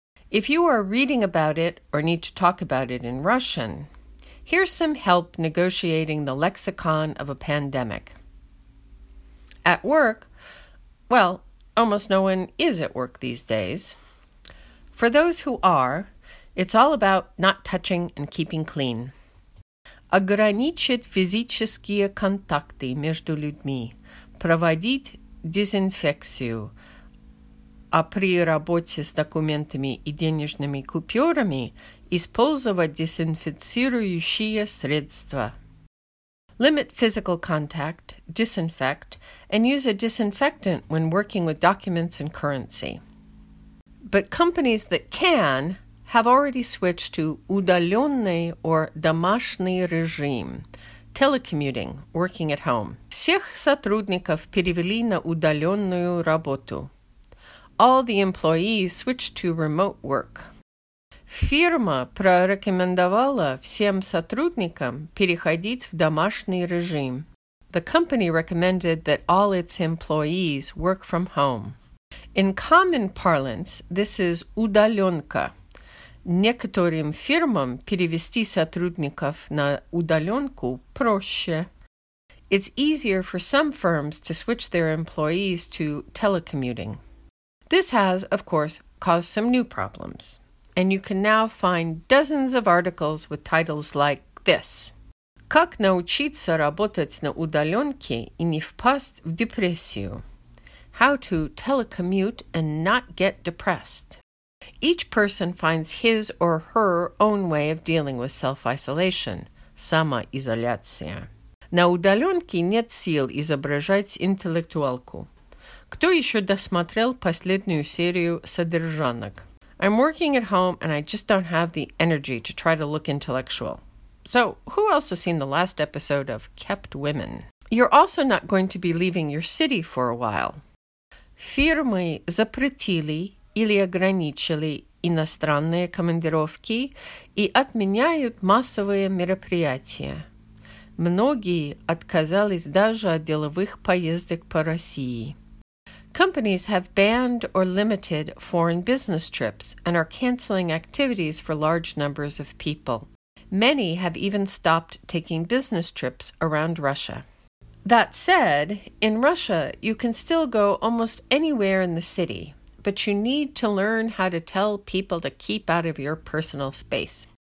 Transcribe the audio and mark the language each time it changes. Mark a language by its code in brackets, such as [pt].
[en] If you are reading about it or need to talk about it in Russian, here's some help negotiating the lexicon of a pandemic. At work, well, almost no one is at work these days. For those who are, it's all about not touching and keeping clean. [ru] Ограничить физические контакты между людьми, проводить дезинфекцию. А при работе с документами и денежными купюрами использовать дезинфицирующие средства. [en] Limit physical contact, disinfect, and use a disinfectant when working with documents and currency. But companies that can have already switched to [ru] удаленный [en] or [ru] домашний режим, [en] telecommuting, working at home. [ru] Всех сотрудников перевели на удаленную работу. [en] All the employees switched to remote work. [ru] Фирма прорекомендовала всем сотрудникам переходить в домашний режим. [en] The company recommended that all its employees work from home. In common parlance, this is [ru] удаленка. Некоторым фирмам перевести сотрудников на удаленку проще. [en] It's easier for some firms to switch their employees to telecommuting. This has, of course, caused some new problems, and you can now find dozens of articles with titles like this. [ru] Как научиться работать на удаленке и не впасть в депрессию? [en] How to telecommute and not get depressed. Each person finds his or her own way of dealing with self-isolation, [ru] самоизоляция. На удаленке нет сил изображать интеллектуалку. Кто еще досмотрел последнюю серию «Содержанок»? [en] I'm working at home and I just don't have the energy to try to look intellectual. So, who else has seen the last episode of Kept Women? You're also not going to be leaving your city for a while. [ru] Фирмы запретили или ограничили иностранные командировки и отменяют массовые мероприятия. Многие отказались даже от деловых поездок по России. [en] Companies have banned or limited foreign business trips and are canceling activities for large numbers of people. Many have even stopped taking business trips around Russia. That said, in Russia, you can still go almost anywhere in the city, but you need to learn how to tell people to keep out of your personal space.